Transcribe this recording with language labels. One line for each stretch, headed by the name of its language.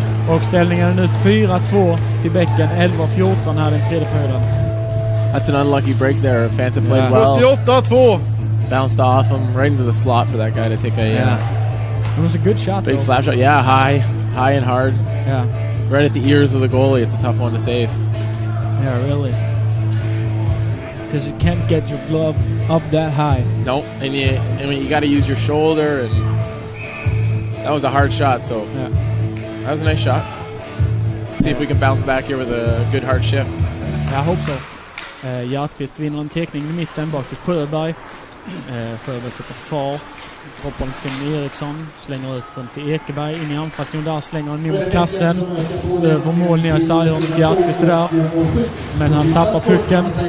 Swedish: Och ställningen är nu 4-2 till bäcken. 11-14 här den tredje perioden.
English: That's an unlucky break there. Fanta played well. 78-2. Bounced off him right into the slot for that guy to take a... It was a good shot. Big slap shot. Yeah, high. High and hard. Yeah. Right at the ears of the goalie. It's a tough one to save. Yeah, really. Because you can't get your glove up that high. Nope. And you got to use your shoulder. And that was a hard shot, so... Yeah. That was a nice shot. See if we can bounce back here with a good hard shift. Yeah, I hope so.
Swedish: Hjärtqvist vinner en teckning i mitten bak till Sjöberg. Sjöberg sätter fart. Hoppar till Simon Eriksson. Slänger ut den till Ekeberg. In i anfallszon där. Slänger den mot kassen. Över mål ner i sargen till Hjärtqvist där. Men han tappar pucken.